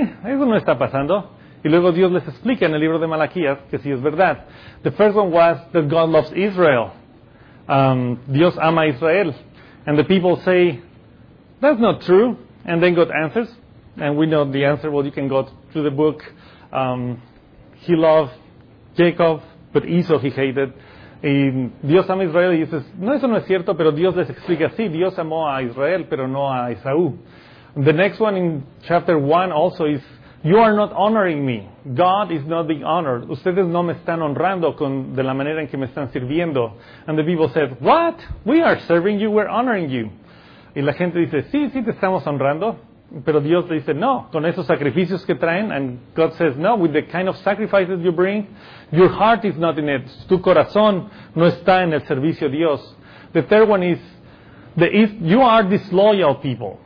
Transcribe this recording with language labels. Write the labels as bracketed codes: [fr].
[es] Eso no está pasando. Y luego Dios les explica en el libro de Malaquías que sí es verdad. [en] The first one was that God loves Israel. [es] Dios ama a Israel. [en] And the people say, that's not true. And then God answers. And we know the answer. Well, you can go to the book. He loves Jacob, but Esau he hated. [es] Y Dios ama a Israel, y dices, no, eso no es cierto, pero Dios les explica, sí, Dios amó a Israel, pero no a Esaú. [en] The next one in chapter 1 also is, you are not honoring me. God is not being honored. [es] Ustedes no me están honrando con de la manera en que me están sirviendo. [en] And the people said, what? We are serving you, we're honoring you. [es] Y la gente dice, sí, sí, te estamos honrando. Pero Dios le dice, no, con esos sacrificios que traen. [en] And God says, no, with the kind of sacrifices you bring, your heart is not in it. [es] Tu corazón no está en el servicio a Dios. [en] The third one is, you are disloyal people.